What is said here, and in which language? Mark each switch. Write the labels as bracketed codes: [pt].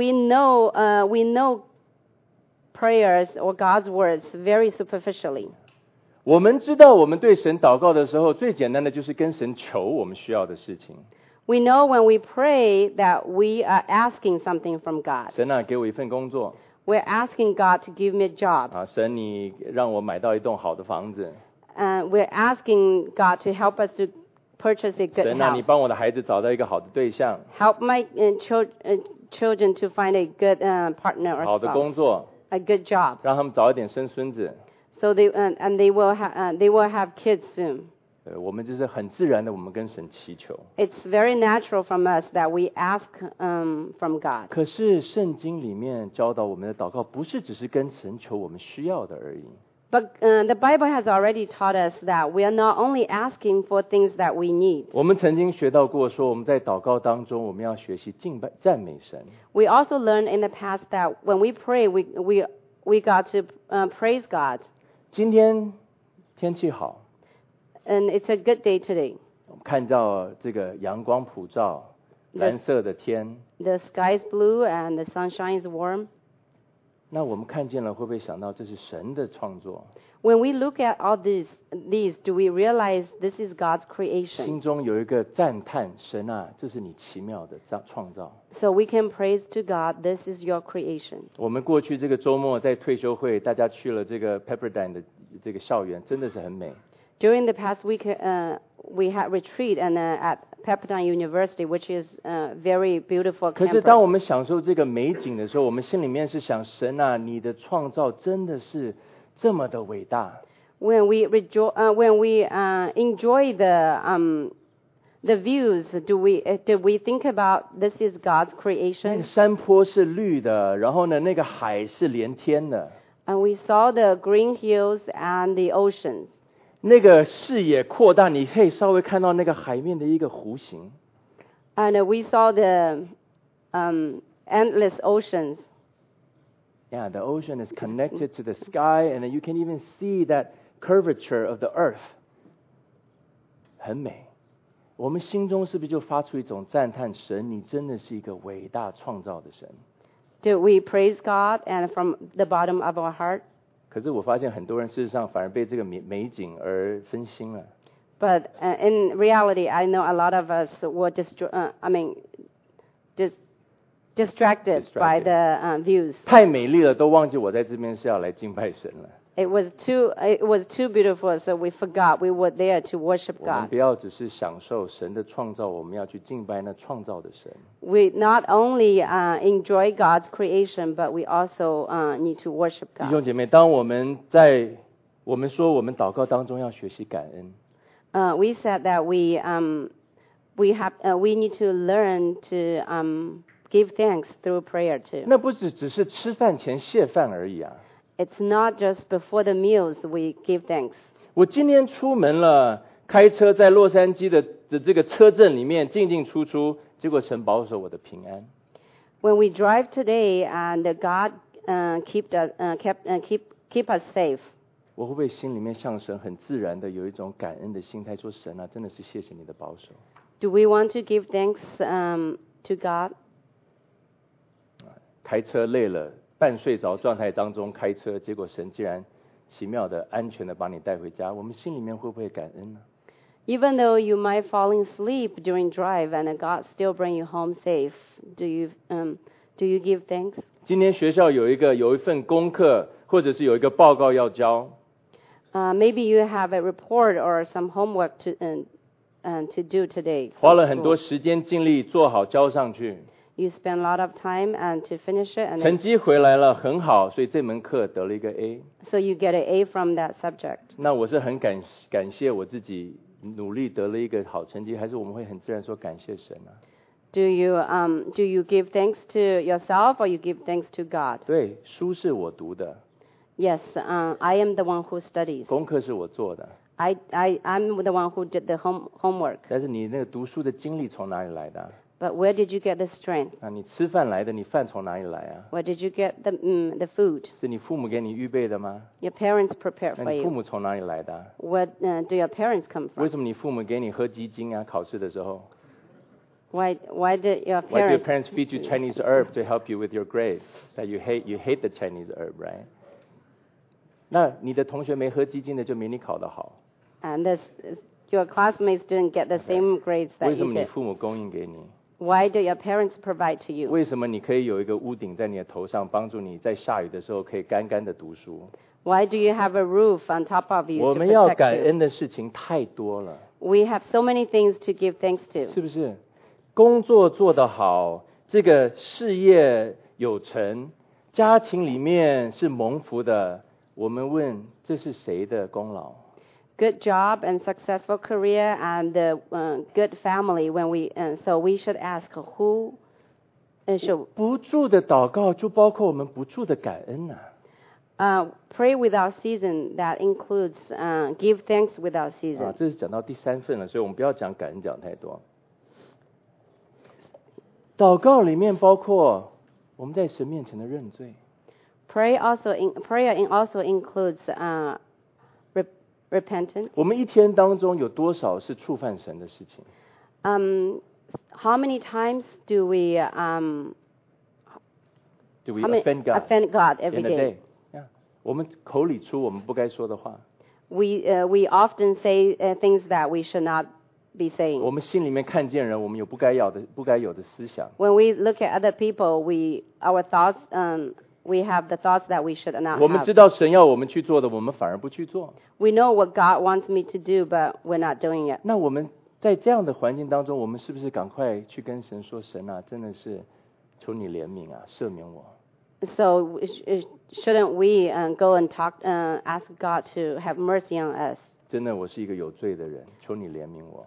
[en] We know prayers or God's words very superficially. [zh] 我们知道我们对神祷告的时候最简单的就是跟神求我们需要的事情。 [en] We know when we pray that we are asking something from God. [zh] 神啊，给我一份工作。 [en] We're asking God to give me a job. [zh] 啊，神你让我买到一栋好的房子。 [en] We're asking God to help us to purchase a good house. [zh] 神啊，你帮我的孩子找到一个好的对象。 [en] Help my children to find a good partner or spouse. [zh] 好的工作。 [en] A good job. [zh] 让他们早一点生孙子。 [en] So they will have kids soon. [zh] 我们就是很自然的，我们跟神祈求。 [en] It's very natural from us that we ask from God. [zh] 可是圣经里面教导我们的祷告，不是只是跟神求我们需要的而已。 [en] But the Bible has already taught us that we are not only asking for things that we need. [zh] 我们曾经学到过说我们在祷告当中我们要学习敬拜赞美神。 [en] We also learned in the past that when we pray, we got to praise God. [zh] 今天天气好。 [en] And it's a good day today. [zh] 我们看到这个阳光普照蓝色的天。 [en] The sky is blue and the sunshine is warm. [zh] 那我们看见了会不会想到这是神的创作 [en] When we look at all these, do we realize this is God's creation? [zh] 心中有一个赞叹神啊这是你奇妙的创造 [en] So we can praise to God, this is your creation. [zh] 我们过去这个周末在退休会大家去了这个 Pepperdine 的这个校园真的是很美 [en] During the past week, we had retreat and at Pepperdine University, which is a very beautiful campus. [zh] 可是当我们享受这个美景的时候，我们心里面是想神啊，你的创造真的是这么的伟大。 [en] When we enjoy the views, do we think about this is God's creation? [zh] 那个山坡是绿的，然后呢，那个海是连天的。 [en] And we saw the green hills and the oceans. [zh] 那个视野扩大，你可以稍微看到那个海面的一个弧形。 [en] And we saw the endless oceans. Yeah, the ocean is connected to the sky, and you can even see that curvature of the earth. [zh] 很美。我们心中是不是就发出一种赞叹神，你真的是一个伟大创造的神。 [en] Do we praise God and from the bottom of our heart? [zh] 可是我发现很多人事实上反而被这个美景而分心了。 [en] But in reality, I know a lot of us were distracted by the views. [zh] 太美丽了，都忘记我在这边是要来敬拜神了。 [en] It was too beautiful, so we forgot we were there to worship God. [zh] 我们不要只是享受神的创造，我们要去敬拜那创造的神。 [en] We not only enjoy God's creation, but we also need to worship God. [zh] 弟兄姐妹，当我们在我们说我们祷告当中要学习感恩。 [en] We said that we need to learn to give thanks through prayer too. [zh] 那不只是吃饭前谢饭而已啊。 [en] It's not just before the meals we give thanks. [zh] 我今天出门了，开车在洛杉矶的这个车镇里面进进出出，结果神保守我的平安。 [en] When we drive today, and God keep us safe. [zh] 我会不会心里面向神很自然的有一种感恩的心态，说神啊，真的是谢谢你的保守。 [en] Do we want to give thanks to God? [zh] 开车累了。半睡着状态当中开车，结果神竟然奇妙的、安全的把你带回家，我们心里面会不会感恩呢 [en] ？Even though you might fall asleep during drive and God still bring you home safe, do you give thanks? [zh] 今天学校有一份功课，或者是有一个报告要交。 [en] Maybe you have a report or some homework to do today. [zh] 花了很多时间精力做好交上去。 [en] You spend a lot of time and to finish it. [zh] 成绩回来了，很好，所以这门课得了一个 A. [en] So you get an A from that subject. [zh] 那我是很感谢我自己努力得了一个好成绩，还是我们会很自然说感谢神啊 [en] Do you give thanks to yourself or you give thanks to God? [zh] 对，书是我读的。 [en] Yes, I am the one who studies. [zh] 功课是我做的。 [en] I'm the one who did the homework. [zh] 但是你那个读书的经历从哪里来的？ [en] But where did you get the strength? [zh] 啊，你吃饭来的，你饭从哪里来啊 [en] ？Where did you get the food? [zh] 是你父母给你预备的吗 [en] ？Your parents prepared for you. [zh] 那你父母从哪里来的 [en] ？Where do your parents come from? [zh] 为什么你父母给你喝鸡精啊？考试的时候 [en] ？Why did your parents? Why do your parents feed you Chinese herb to help you with your grades? That you hate the Chinese herb, right? [zh] 那你的同学没喝鸡精的就没你考得好。 [en] And this, your classmates didn't get the same grades that you did. [zh] 为什么你父母供应给你？ [en] Why do your parents provide to you? [zh] 为什么你可以有一个屋顶在你的头上，帮助你在下雨的时候可以干干的读书 [en] ？Why do you have a roof on top of you to protect you? [zh] 我们要感恩的事情太多了。 [en] We have so many things to give thanks to. [zh] 是不是？工作做得好，这个事业有成，家庭里面是蒙福的。我们问，这是谁的功劳？ [en] Good job and successful career and good family. When we so we should ask who and should [zh] 不住的祷告就包括我们不住的感恩呐、啊。 [en] Pray without season, that includes give thanks without season. [zh] 这是讲到第三份了，所以我们不要讲感恩讲太多。祷告里面包括我们在神面前的认罪。 [en] Prayer also includes repentance. [zh] 我们一天当中有多少是触犯神的事情？ [en] How many times do we offend God? Offend God every day. [zh] 我们口里出我们不该说的话。 [en] We often say things that we should not be saying. [zh] 我们心里面看见人，我们有不该要的、不该有的思想。 [en] When we look at other people, our thoughts, we have the thoughts that we should not have. [zh] 我们知道神要我们去做的，我们反而不去做。 [en] We know what God wants me to do, but we're not doing it. [zh] 那我们在这样的环境当中，我们是不是赶快去跟神说：“神啊，真的是求你怜悯啊，赦免我。” [en] So shouldn't we go and talk ask God to have mercy on us? [zh] 真的，我是一个有罪的人，求你怜悯我。